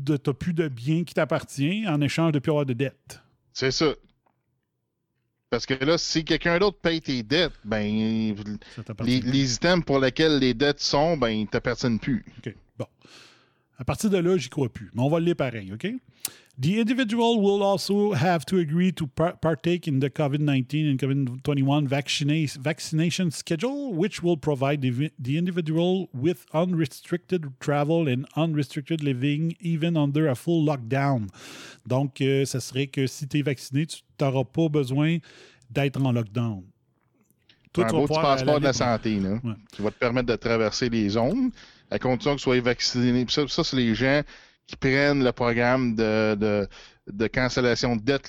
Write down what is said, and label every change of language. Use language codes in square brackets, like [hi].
[fr] T'as plus de biens qui t'appartient en échange de plus avoir de dettes. C'est ça. Parce que là, si quelqu'un d'autre paye tes dettes, ben les items pour lesquels les dettes sont, ben ils t'appartiennent plus. OK. Bon. À partir de là, j'y crois plus. Mais on va le lire pareil, OK? [en] The individual will also have to agree to partake in the COVID-19 and COVID-21 vaccination schedule, which will provide the individual with unrestricted travel and unrestricted living, even under a full lockdown. [fr] Donc, ça serait que si tu es vacciné, tu n'auras pas besoin d'être en lockdown. Tout un beau petit passeport de la santé, là, qui va te permettre de traverser les zones, à condition que tu sois vacciné. Ça, c'est les gens... qui prennent le programme de cancellation de dette.